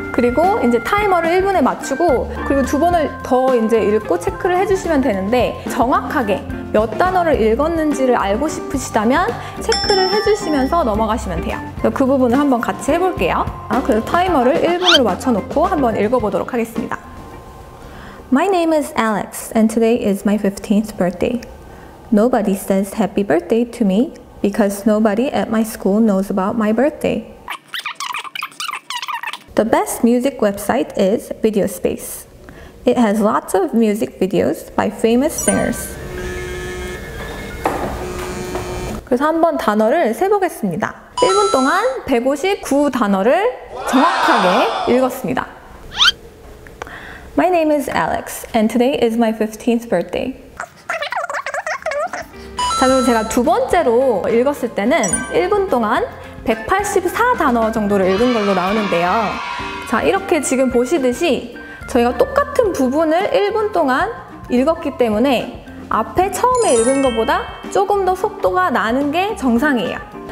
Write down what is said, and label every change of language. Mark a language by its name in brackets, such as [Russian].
[Korean] 그리고 이제 타이머를 1분에 맞추고 그리고 두 번을 더 이제 읽고 체크를 해주시면 되는데 정확하게 몇 단어를 읽었는지를 알고 싶으시다면 체크를 해주시면서 넘어가시면 돼요. 그 부분을 한번 같이 해볼게요. 그래서 타이머를 1분으로 맞춰놓고 한번 읽어보도록 하겠습니다. [English] My name is Alex and today is my 15th birthday. Nobody says happy birthday to me because nobody at my school knows about my birthday. The best music website is VideoSpace. It has lots of music videos by famous singers. [Korean] 그래서 한번 단어를 세보겠습니다. 1분 동안 159 단어를 정확하게 읽었습니다. [English] My name is Alex and today is my 15th birthday. [Korean] 자, 그리고 제가 두 번째로 읽었을 때는 1분 동안 184 단어 정도를 읽은 걸로 나오는데요. 자, 이렇게 지금 보시듯이 저희가 똑같은 부분을 1분 동안 읽었기 때문에 앞에 처음에 읽은 것보다 조금 더 속도가 나는 게 정상이에요.